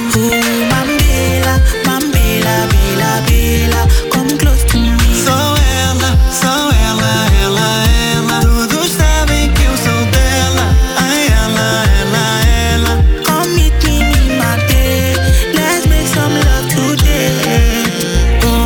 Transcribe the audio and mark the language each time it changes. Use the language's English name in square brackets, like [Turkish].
[English] Mambela, Mambela, Bela, Bela, come close to me. [Portuguese] Só ela, ela, ela. Todos sabem que eu sou dela. Ai, ela, ela, ela. [English] Come meet me in my day. Let's make some love today.